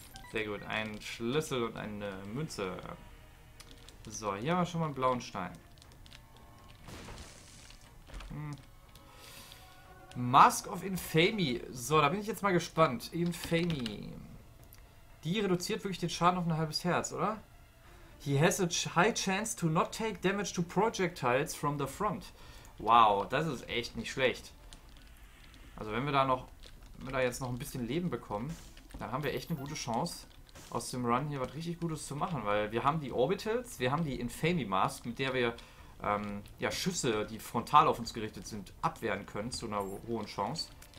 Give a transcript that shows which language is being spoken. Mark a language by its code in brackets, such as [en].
[de] Sehr gut, ein Schlüssel und eine Münze. So, hier haben wir schon mal einen blauen Stein. Hm. Mask of Infamy. So, da bin ich jetzt mal gespannt. Infamy. Die reduziert wirklich den Schaden auf ein halbes Herz, oder? [en] He has a high chance to not take damage to projectiles from the front. [de] Wow, das ist echt nicht schlecht. Also wenn wir da noch, wenn wir da jetzt noch ein bisschen Leben bekommen, dann haben wir echt eine gute Chance, aus dem Run hier was richtig Gutes zu machen, weil wir haben die Orbitals, wir haben die Infamy Mask, mit der wir ja, Schüsse, die frontal auf uns gerichtet sind, abwehren können, zu einer hohen Chance.